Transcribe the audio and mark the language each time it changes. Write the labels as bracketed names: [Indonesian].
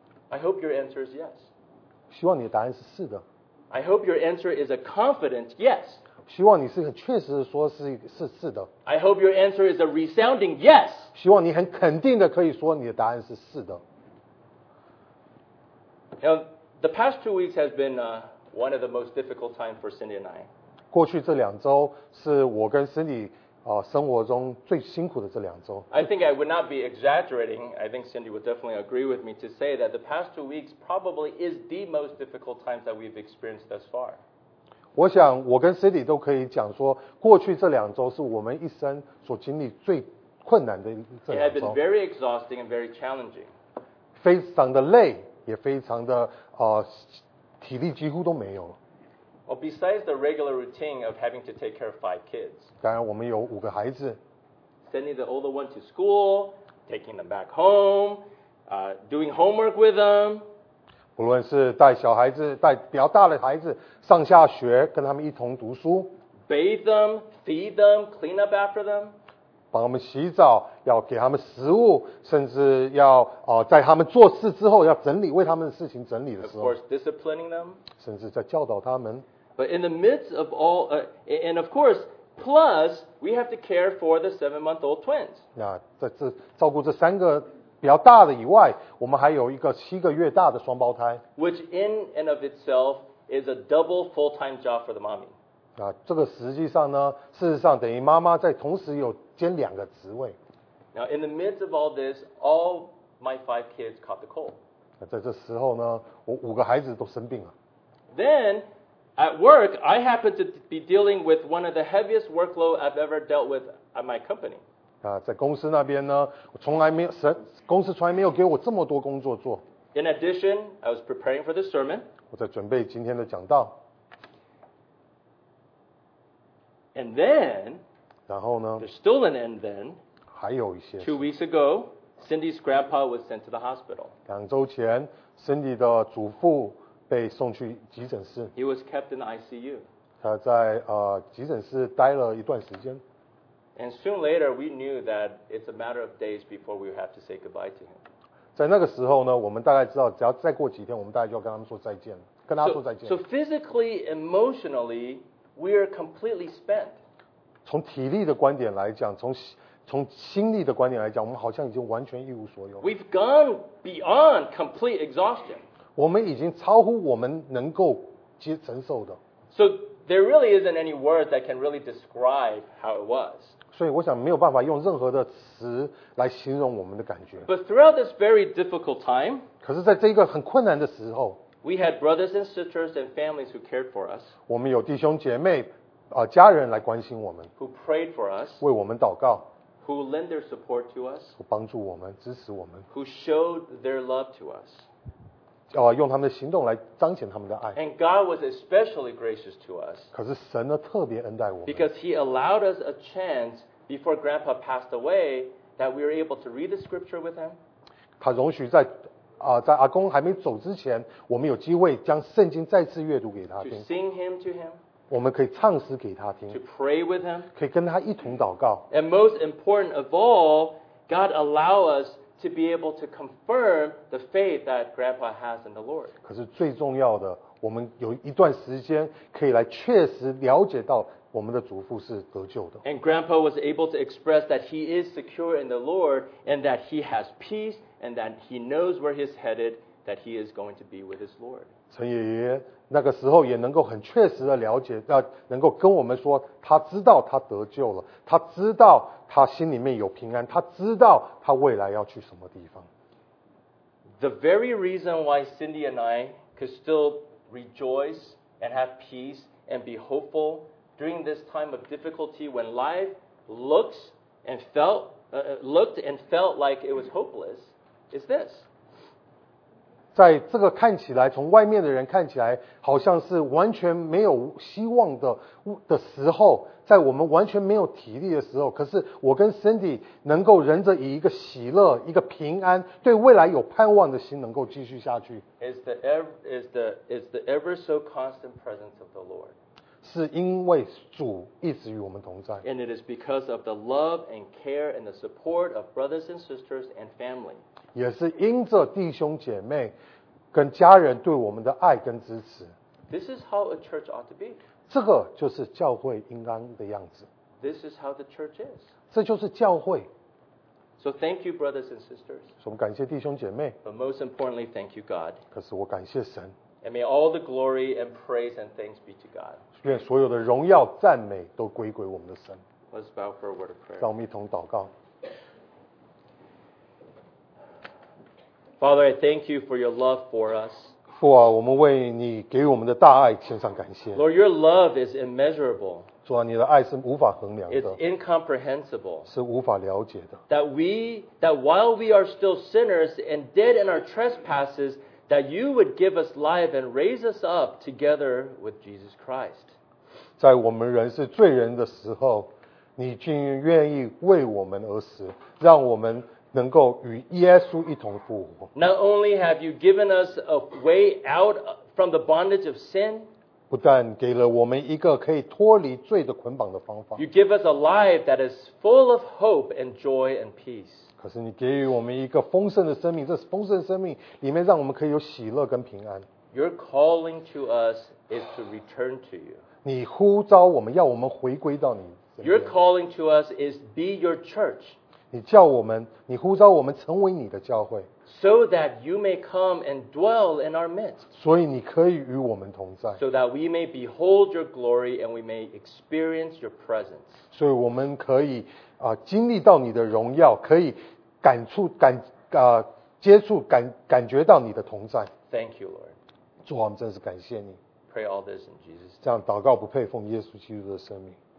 [English] I hope your answer is yes. [Chinese] 希望你的答案是是的。 [English] I hope your answer is a confident yes. [Chinese] 希望你是很确实的说是是的。 [English] I hope your answer is a resounding yes. [Chinese] 希望你很肯定的可以说你的答案是是的。 [English] Now, the past 2 weeks has been one of the most difficult times for Cindy and I. [Chinese] 过去这两周是我跟 Cindy 生活中最辛苦的这两周。 [English] I think I would not be exaggerating. I think Cindy would definitely agree with me to say that the past 2 weeks probably is the most difficult times that we've experienced thus far. [Chinese] 我想我跟 Cindy 都可以讲说，过去这两周是我们一生所经历最困难的这两周。 [English] It had been very exhausting and very challenging. [Chinese] 非常的累，也非常的体力几乎都没有了。 [English] Well, besides the regular routine of having to take care of 5 kids, [Chinese] 当然我们有五个孩子， [English] sending the older one to school, taking them back home, doing homework with them. [Chinese] 不论是带小孩子，带比较大的孩子上下学，跟他们一同读书， [English] bathe them, feed them, clean up after them, [Chinese] 帮他们洗澡，要给他们食物，甚至要在他们做事之后要整理，为他们的事情整理的时候， [English] of course, disciplining them, [Chinese] 甚至在教导他们。 [English] But in the midst of all, and of course, plus, we have to care for the 7-month-old twins. [Chinese] 那在这照顾这三个比较大的以外，我们还有一个7个月大的双胞胎。 [English] Which in and of itself is a double full-time job for the mommy. [Chinese] 那这个实际上呢，事实上等于妈妈在同时有兼两个职位。 [English] Now, in the midst of all this, all my 5 kids caught the cold. [Chinese] 在这时候呢，我五个孩子都生病了。 [English] Then, at work, I happened to be dealing with one of the heaviest workload I've ever dealt with at my company. [Chinese] 在公司那边呢，我从来没有，公司从来没有给我这么多工作做。 [English] In addition, I was preparing for the sermon. [Chinese] 我在准备今天的讲道。 [English] And then, [Chinese] 然后呢？ [English] There's still an end then. [Chinese] 还有一些。 [English] 2 weeks ago, Cindy's grandpa was sent to the hospital. [Chinese] 两周前 ，Cindy 的祖父被送去急诊室。 [English] He was kept in the ICU. [Chinese] 他在急诊室待了一段时间。 [English] And soon later, we knew that it's a matter of days before we have to say goodbye to him. [Chinese] 在那个时候呢，我们大概知道，只要再过几天，我们大概就要跟他们说再见，跟他说再见。 [English] So physically, emotionally, we are completely spent. [Chinese] 从体力的观点来讲，从心力的观点来讲，我们好像已经完全一无所有。 [English] We've gone beyond complete exhaustion. [Chinese] 我们已经超乎我们能够承受的。 [English] So there really isn't any word that can really describe how it was. [Chinese] 所以我想没有办法用任何的词来形容我们的感觉。 [English] But throughout this very difficult time, [Chinese] 可是在这个很困难的时候， [English] we had brothers and sisters and families who cared for us. [Chinese] 我们有弟兄姐妹家人来关心我们， [English] who prayed for us. [Chinese] 为我们祷告。 [English] Who lend their support to us? [Chinese] 帮助我们，支持我们。 [English] Who showed their love to us? [Chinese] 用他们的行动来彰显他们的爱。 [English] And God was especially gracious to us. [Chinese] 可是神呢特别恩待我们。 [English] Because He allowed us a chance before Grandpa passed away that we were able to read the scripture with him. [Chinese] 他容许在在阿公还没走之前，我们有机会将圣经再次阅读给他听。 [English] To sing him to him. [Chinese] 我们可以唱诗给他听。 [English] To pray with him. [Chinese] 可以跟他一同祷告。 [English] And most important of all, God allow us. To be able to confirm the faith that Grandpa has in the Lord. [Chinese] 可是最重要的，我们有一段时间可以来确实了解到我们的祖父是得救的。 [English] And Grandpa was able to express that he is secure in the Lord, and that he has peace, and that he knows where he's headed, that he is going to be with his Lord. [Chinese] 陈爷爷那个时候也能够很确实的了解，能够跟我们说，他知道他得救了，他知道。他心里面有平安，他知道他未来要去什么地方。 [English] The very reason why Cindy and I could still rejoice and have peace and be hopeful during this time of difficulty when life looked and felt like it was hopeless is this. [Chinese] 在这个看起来，从外面的人看起来好像是完全没有希望的时候。在我们完全没有体力的时候，可是我跟 Cindy 能够忍着以一个喜乐、一个平安、对未来有盼望的心，能够继续下去。 [English] Is the ever so constant presence of the Lord？ [Chinese] 是因为主一直与我们同在。 [English] And it is because of the love and care and the support of brothers and sisters and family。 [Chinese] 也是因着弟兄姐妹跟家人对我们的爱跟支持。 [English] This is how a church ought to be。 [Chinese] 这个就是教会应当的样子。 [English] This is how the church is. [Chinese] 这就是教会。 [English] So thank you, brothers and sisters. [Chinese] 我们感谢弟兄姐妹。 [English] But most importantly, thank you, God. [Chinese] 可是我感谢神。 [English] And may all the glory and praise and thanks be to God. [Chinese] 愿所有的荣耀赞美都归给我们的神。 [English] Let's bow for a word of prayer. [Chinese] 让我们一同祷告。 [English] Father, I thank you for your love for us. [Chinese] 父啊，我们为你给我们的大爱献上感谢。 [English] Lord, your love is immeasurable. [Chinese] 主啊，你的爱是无法衡量的。 [English] It's incomprehensible. [Chinese] 是无法了解的。 [English] That while we are still sinners and dead in our trespasses, that you would give us life and raise us up together with Jesus Christ. [Chinese] 在我们人是罪人的时候，你竟愿意为我们而死，让我们。能够与耶稣一同复活。 [English] Not only have you given us a way out from the bondage of sin, [Chinese] 不但给了我们一个可以脱离罪的捆绑的方法。 [English] You give us a life that is full of hope and joy and peace. [Chinese] 可是你给予我们一个丰盛的生命，这丰盛的生命里面让我们可以有喜乐跟平安。 [English] Your calling to us is to return to you. [Chinese] 你呼召我们，要我们回归到你。 [English] Your calling to us is be your church. [Chinese] 你叫我们，你呼召我们成为你的教会。 [English] So that you may come and dwell in our midst. [Chinese] 所以你可以与我们同在。 [English] So that we may behold your glory and we may experience your presence. [Chinese] 所以我们可以经历到你的荣耀，可以感觉到你的同在。 [English] Thank you, Lord. [Chinese] 主啊，我们真是感谢你。 [English] Pray all this in Jesus' name. [Chinese] 这样祷告不配奉耶稣基督的圣名。